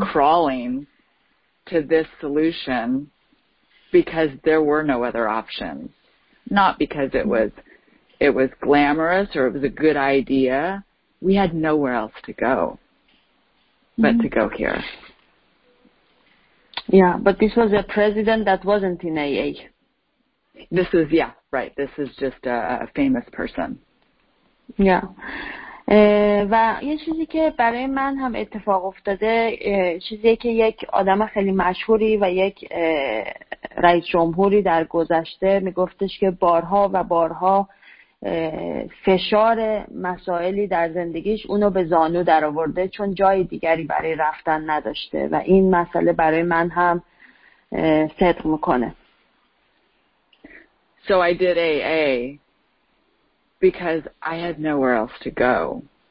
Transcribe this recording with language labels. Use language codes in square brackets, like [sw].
[en] crawling to this solution because there were no other options, not because it was glamorous or it was a good idea. We had nowhere else to go but mm-hmm. to go here. Yeah, but this was a president that wasn't in AA. This is, yeah, right. This is just a famous person. Yeah. [fa] و یه چیزی که برای من هم اتفاق افتاده چیزی که یک آدم خیلی مشهوری و یک رئیس جمهوری در گذشته میگفتش که بارها و بارها فشار مسائلی در زندگیش اونو به زانو در آورده چون جای دیگری برای رفتن نداشته و این مسئله برای من هم صدق میکنه. [en] So I did AA because I had nowhere else to go.